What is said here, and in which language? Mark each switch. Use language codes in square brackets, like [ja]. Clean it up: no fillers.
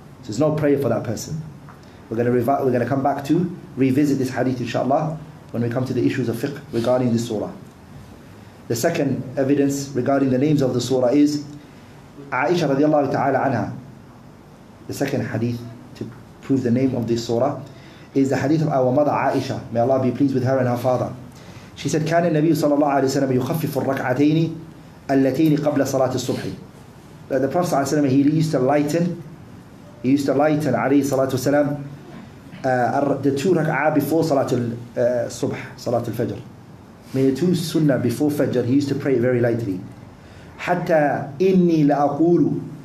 [en] So there's no prayer for that person. We're going to come back to revisit this hadith, inshallah, when we come to the issues of fiqh regarding this surah. The second evidence regarding the names of the surah is Aisha radiallahu ta'ala anha. The second hadith to prove the name of this surah is the hadith of our mother Aisha. May Allah be pleased with her and her father. She said, [ar] كان النبي صلى الله عليه وسلم يخفف الركعتين اللتين قبل صلاة الصبح. [en] The Prophet [ar] صلى الله عليه وسلم, [en] he used to lighten alayhi salatu wasalam the two rak'ah before Salatul Subh, Salatul Fajr. Meaning the two sunnah before Fajr, he used to pray very lightly. Hatta inni la'akulu.